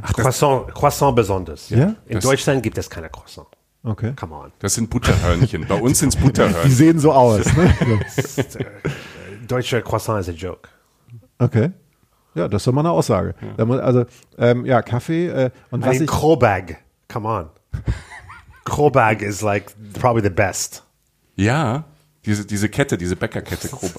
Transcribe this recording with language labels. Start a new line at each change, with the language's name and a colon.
German: Ach, Croissant besonders. Ja? In Deutschland gibt es keine Croissant. Okay.
English: Come on.
German: Das sind Butterhörnchen. Bei uns sind es Butterhörnchen. Die sehen so aus. Ne?
English: Deutsche Croissant is a joke.
German: Okay. Ja, das ist doch mal eine Aussage. Ja. Kaffee. Und was ich
English: Crobag, come on. Crobag is like probably the best.
German: Ja, diese Kette, diese Bäckerkette.